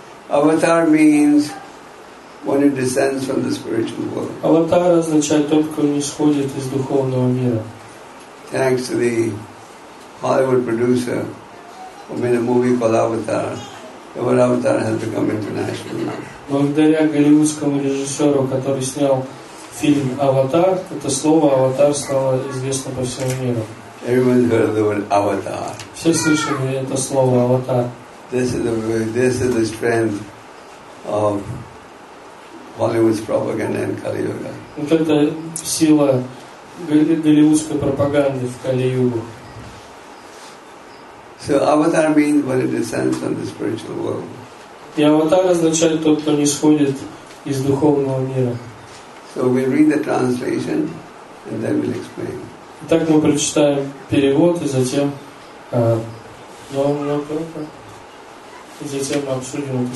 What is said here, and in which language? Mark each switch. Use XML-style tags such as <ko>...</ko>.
<en>Avatar means one who descends from the spiritual world.</en> <ru>Avatar означает тот, кто не сходит из духовного мира.</ru> <en>Thanks to the Hollywood producer who made a movie called Avatar. The word Avatar has become international now.</en> <ru>Благодаря голливудскому режиссеру, который снял фильм «Аватар», это слово «Аватар» стало известно по всему миру.</ru> <en>Everyone heard the word avatar.</en> <ru>Все слышали это слово «Аватар».</ru> <en>This is the strength of Hollywood's propaganda in Kali Yuga.</en> <ru>Вот это сила голливудской пропаганды в Кали-Югу.</ru> <en>So avatar means when it descends from the spiritual world.</en> <ru>И аватар означает тот, кто нисходит из духовного мира.</ru> <en>So we read the translation and then we'll explain.</en> <ru>Итак, мы прочитаем перевод и затем мы обсудим эту</ru>